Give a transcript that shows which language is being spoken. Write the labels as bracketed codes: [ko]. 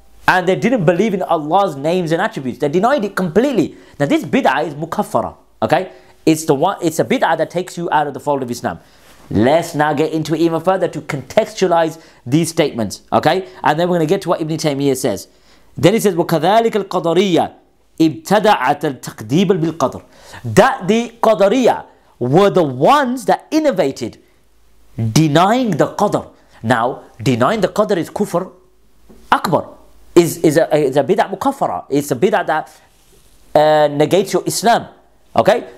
[en] And they didn't believe in Allah's names and attributes. They denied it completely. Now this bid'ah is mukaffara, okay? It's the one. It's a bid'ah that takes you out of the fold of Islam. Let's now get into it even further to contextualize these statements, okay? And then we're going to get to what Ibn Taymiyyah says. Then he says, [ar] وَكَذَلِكَ الْقَدَرِيَّةِ ابتدعت التقديب بالقدر. [en] That the Qadariya were the ones that innovated denying the Qadr. Now, denying the Qadr is kufr akbar. Is a bid'ah mukaffara. It's a bid'ah that negates your Islam. Okay?